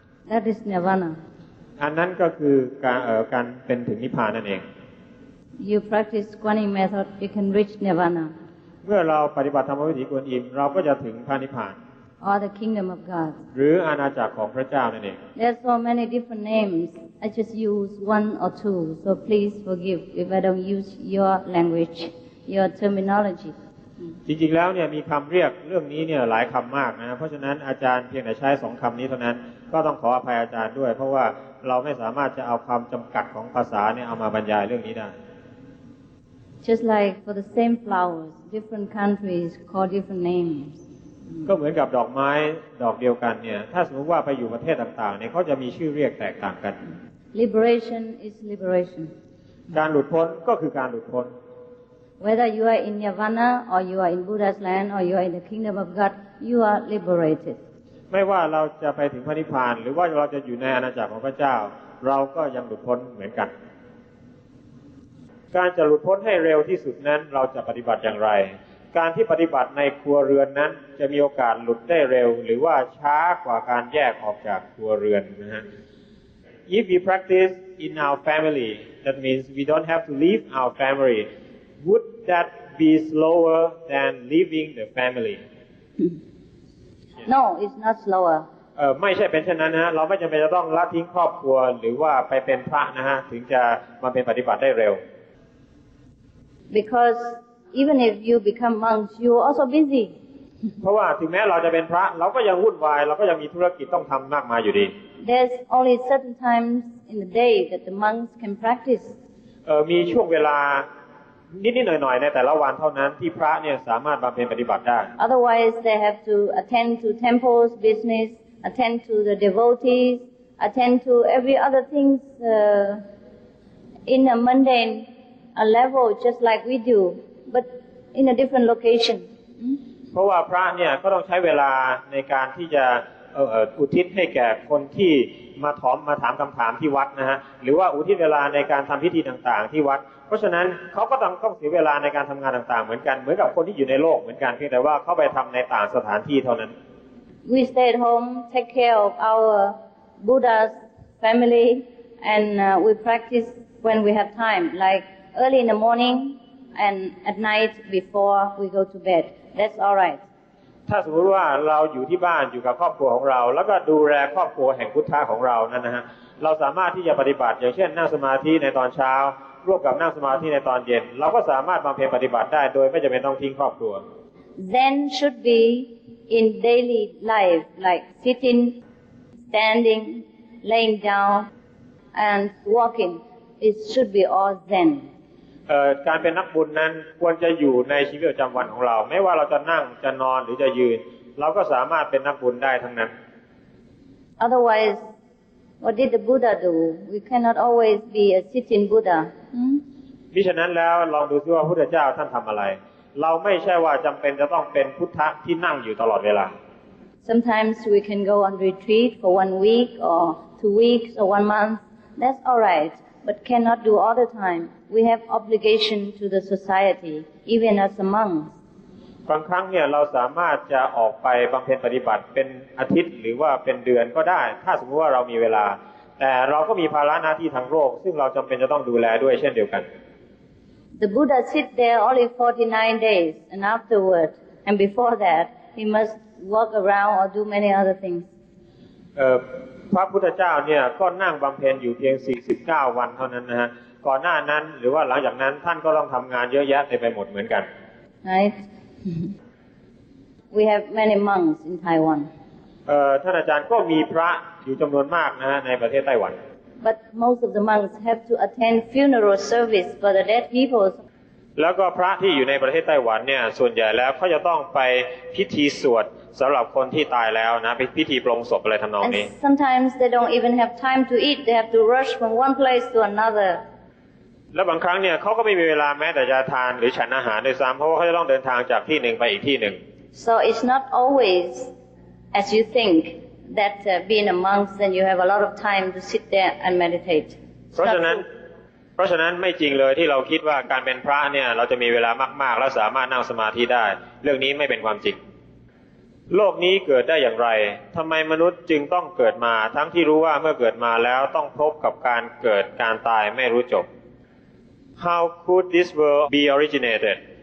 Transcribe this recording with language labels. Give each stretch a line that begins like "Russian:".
English: That is Nirvana.
Thai: อันนั้นก็คือการเป็นถึงนิพพานนั่นเอง
English: You practice Kuan Yin method, you can reach Nirvana.
Thai: เมื่อเราปฏิบัติธรรมวิถีกวนอิมเราก็จะถึงพระนิพพาน
English: Or the kingdom of God.
Thai: หรืออาณาจักรของพระเจ้านั่นเอง
English: There are so many different names. I just use one or two, so please forgive if I don't use your language, your terminology.
Thai: จริงๆแล้วเนี่ยมีคำเรียกเรื่องนี้เนี่ยหลายคำมากนะเพราะฉะนั้นอาจารย์เพียงแต่ใช้สองคำนี้เท่านั้นก็ต้องขออภัยอาจารย์ด้วยเพราะว่าเราไม่สามารถจะเอาคำจำกัดของภาษาเนี่ยเอามาบรรยายเรื่องนี้ได้
English: Just like for the same flowers, different countries call different names.
Thai: ก็เหมือนกับดอกไม้ดอกเดียวกันเนี่ยถ้าสมมติว่าไปอยู่ประเทศต่างๆเนี่ยเขาจะมีชื่อเรียกแตกต่างกัน
English: Liberation is liberation
Thai: การหลุดพ้นก็คือการหลุดพ้น
English: Whether you are in Nirvana or you are in Buddha's land or you are in the kingdom of God you are liberated
Thai: ไม่ว่าเราจะไปถึงพระนิพพานหรือว่าเราจะอยู่ในอาณาจักรของพระเจ้าเราก็ยังหลุดพ้นเหมือนกันการจะหลุดพ้นให้เร็วที่สุดนั้นเราจะปฏิบัติอย่างไรการที่ปฏิบัติในครัวเรือนนั้นจะมีโอกาสหลุดได้เร็วหรือว่าช้ากว่าการแยกออกจากครัวเรือนนะฮะ
English: If we practice in our family that means we don't have to leave our family would that be slower than leaving the family Yes No, it's not slower.
Thai: ไม่ใช่เป็นเช่นนั้นนะเราไม่จำเป็นจะต้องละทิ้งครอบครัวหรือว่าไปเป็นพระนะฮะถึงจะมาเป็นปฏิบัติได้เร็ว
English: Because even if you become monks, you're also busy.
Thai: เพราะว่าถึงแม้เราจะเป็นพระเราก็ยังวุ่นวายเราก็ยังมีธุรกิจต้องทำมากมายอยู่ดี
English: There's only certain times in the day that the monks can practice.
Thai: มีช่วงเวลานิดๆหน่อยๆในแต่ละวันเท่านั้นที่พระเนี่ยสามารถมาเป็นปฏิบัติได้
English: Otherwise they have to attend to temples, business, attend to the devotees, attend to every other things in a mundane a level just like we do, but in a different location.
Thai: เพราะว่าพระเนี่ยก็ต้องใช้เวลาในการที่จะอุทิศให้แก่คนที่มาถอมมาถามคำถามที่วัดนะฮะหรือว่าอุทิศเวลาในการทำพิธีต่างๆที่วัดเพราะฉะนั้นเขาก็ต้องเสียเวลาในการทำงานต่างๆเหมือนกันเหมือนกับคนที่อยู่ในโลกเหมือนกันเพียงแต่ว่าเข้าไปทำในต่างสถานที่เท่านั้น
English: We stay at home, take care of our Buddha's family, and we practice when we have time, like early in the morning and at night before we go to bed. That's all right.
Thai: ถ้าสมมติว่าเราอยู่ที่บ้านอยู่กับครอบครัวของเราแล้วก็ดูแลครอบครัวแห่งพุทธะของเรานั่นนะฮะเราสามารถที่จะปฏิบัติอย่างเช่นนั่งสมาธิในตอนเช้าร่วมกับนั่งสมาธิในตอนเย็นเราก็สามารถบำเพ็ญปฏิบัติได้โดยไม่จำเป็นต้องทิ้งครอบครัว
English: Zen should be in daily life like sitting, standing, laying down, and walking. It should be all Zen.
Thai: การเป็นนักบุญนั้นควรจะอยู่ในชีวิตประจำวันของเราไม่ว่าเราจะนั่งจะนอนหรือจะยืนเราก็สามารถเป็นนักบุญได้ทั้งนั้น
English: Otherwise. What did the Buddha do? We cannot always be a sitting Buddha.
Thai: มิฉะนั้นแล้วลองดูซิว่าพระพุทธเจ้าท่านทำอะไรเราไม่ใช่ว่าจำเป็นจะต้องเป็นพุทธะที่นั่งอยู่ตลอดเวลา
English: Sometimes we can go on retreat for 1 week or 2 weeks or 1 month. That's all right, but cannot do all the time. We have obligation to the society, even as a monk.
Thai: บางครั้งเนี่ยเราสามารถจะออกไปบำเพ็ญปฏิบัติเป็นอาทิตย์หรือว่าเป็นเดือนก็ได้ถ้าสมมติว่าเรามีเวลาแต่เราก็มีภาระหน้าที่ทางโลกซึ่งเราจำเป็นจะต้องดูแลด้วยเช่นเดียวกัน
English: The Buddha sit there only 49 days and afterward and before that he must walk around or do many other things
Thai: พระพุทธเจ้าเนี่ยก็นั่งบำเพ็ญอยู่เพียง49วันเท่านั้นนะฮะก่อนหน้านั้นหรือว่าหลังจากนั้นท่านก็ต้องทำงานเยอะแยะไปหมดเหมือนกัน
English: Right. We have many monks in Taiwan.
Thai: ท่านอาจารย์ก็มีพระอยู่จำนวนมากนะฮะในประเทศไต้หวัน
English: But most of the monks have to attend funeral service for the dead people.
Thai: แล้วก็พระที่อยู่ในประเทศไต้หวันเนี่ยส่วนใหญ่แล้วเขาจะต้องไปพิธีสวดสำหรับคนที่ตายแล้วนะไปพิธีปลงศพอะไรทำนองนี้
English: Sometimes they don't even have time to eat. They have to rush from one place to another.
Thai: และบางครั้งเนี่ยเขาก็ไม่มีเวลาแม้แต่จะทานหรือฉันอาหารด้วยซ้ำเพราะว่าเขาจะต้องเดินทางจากที่หนึ่งไปอีกที่หนึ่ง
English: So it's not always as you think that being a monk then you have a lot of time to sit there and meditate
Thai: เพราะฉะนั้นไม่จริงเลยที่เราคิดว่าการเป็นพระเนี่ยเราจะมีเวลามากๆแล้วสามารถนั่งสมาธิได้เรื่องนี้ไม่เป็นความจริงโลกนี้เกิดได้อย่างไรทำไมมนุษย์จึงต้องเกิดมาทั้งที่รู้ว่าเมื่อเกิดมาแล้วต้องพบกับการเกิดการตายไม่รู้จบ
English: How could this world be originated?